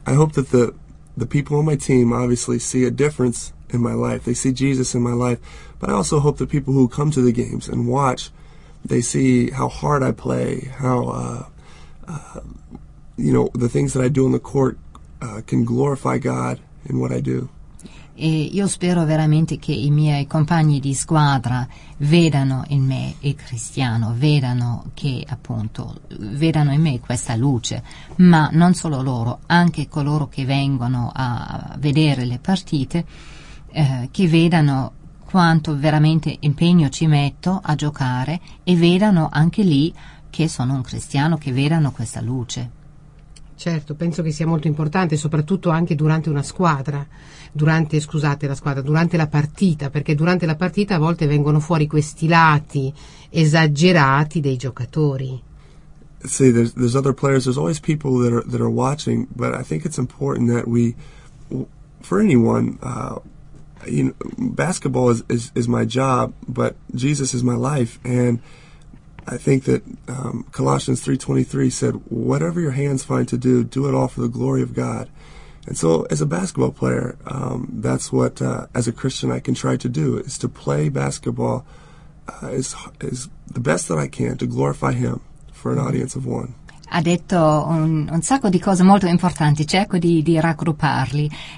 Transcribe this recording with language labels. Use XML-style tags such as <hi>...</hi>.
<en>I hope that the people on my team obviously see a difference in my life. They see Jesus in my life, but I also hope the people who come to the games and watch, they see how hard I play, how you know, the things that I do on the court can glorify God in what I do.</en> <it>E io spero veramente che i miei compagni di squadra vedano in me il cristiano, vedano che appunto vedano in me questa luce, ma non solo loro, anche coloro che vengono a vedere le partite, che vedano quanto veramente impegno ci metto a giocare e vedano anche lì che sono un cristiano, che vedano questa luce. Certo, penso che sia molto importante, soprattutto anche durante una squadra, durante la partita, perché durante la partita a volte vengono fuori questi lati esagerati dei giocatori.</it> <en>Sì, there's other players, there's always people that are watching, but I think it's important that we, for anyone, you know, basketball is my job, but Jesus is my life, and I think that Colossians 3:23 said, whatever your hands find to do, do it all for the glory of God. And so as a basketball player, that's what, as a Christian, I can try to do, is to play basketball as the best that I can to glorify Him for an audience of one.</en> <it>Ha detto un sacco di cose molto importanti, cerco di raggrupparli.</it>